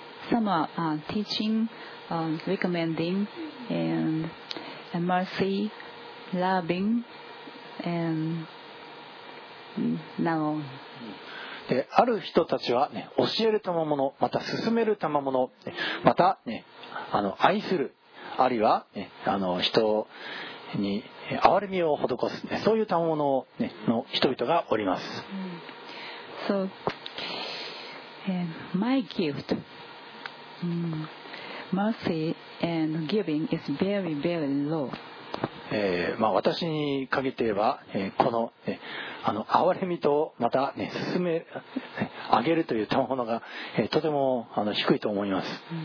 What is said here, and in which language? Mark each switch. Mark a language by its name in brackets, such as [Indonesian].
[English] Some are teaching, recommending, and mercy, loving, and now on. [Japanese] ある人たちは、ね、教える賜物、また進める賜物、また、ね、愛する、あるいは、ね、人に憐れみを施す、ね、そういう賜物、ね、の人々がおります。 [English] So, my gift, mercy and giving is very, very low. [Japanese] 私に限って言えば、この、憐れみとまた、ね、進め上げるという賜物が、とても低いと思います。